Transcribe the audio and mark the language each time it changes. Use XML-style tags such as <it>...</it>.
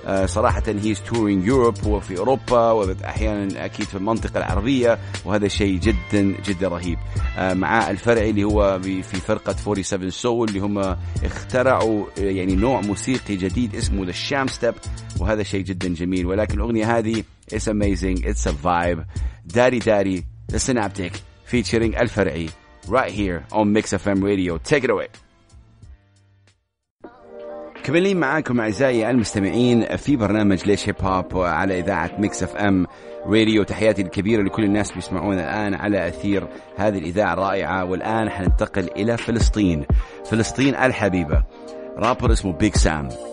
<ar>صراحة</ar> <en>he's touring Europe،</en> <ar>وفي أوروبا، وأحيانا أكيد في المنطقة العربية، وهذا شيء جدا جدا رهيب. مع الفرعي اللي هو في فرقة 47 Soul، اللي هم اخترعوا يعني نوع موسيقي جديد اسمه The Sham Step، وهذا شيء جدا جميل. ولكن الأغنية هذه</ar> <en>it's amazing, it's a vibe.</en> <ar>داري داري The Synaptic featuring الفرعي</ar> <en>right here on Mix FM Radio. Take it away.</en> <ar>كملين معاكم أعزائي المستمعين في برنامج ليش هيب هوب على إذاعة ميكس أف أم راديو. تحياتي الكبيرة لكل الناس بيسمعونا الآن على أثير هذه الإذاعة الرائعة. والآن حننتقل إلى فلسطين، فلسطين الحبيبة، رابر اسمه بيك سام.</ar>